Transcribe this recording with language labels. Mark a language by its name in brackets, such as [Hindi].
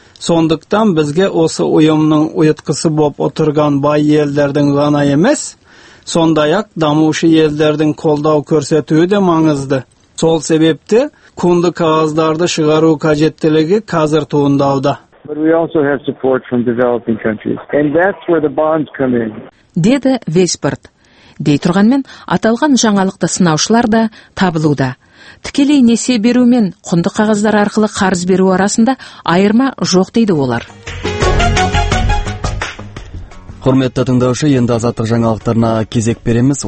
[Kazakh] Сондықтан бізге осы ұйымның ұйытқысы боп отырған бай елдердің ғана емес, сондай-ақ дамушы елдердің қолдау көрсетуі де маңызды. Сол себепті күнді қағаздарды шығару қажеттілігі қазір туындауда. [English] But we also have support from developing countries. And that's where the bonds come in. [Kazakh] Деді Веспорт. Дей тұрғанмен, аталған жаңалықты сынаушылар да табылуда. Тікелей несе беру мен құнды қағаздар арқылы қарыз беру арасында айырма жоқ дейді олар. Құрметті тыңдаушы, енді азаттық жаңалықтарына кезек береміз.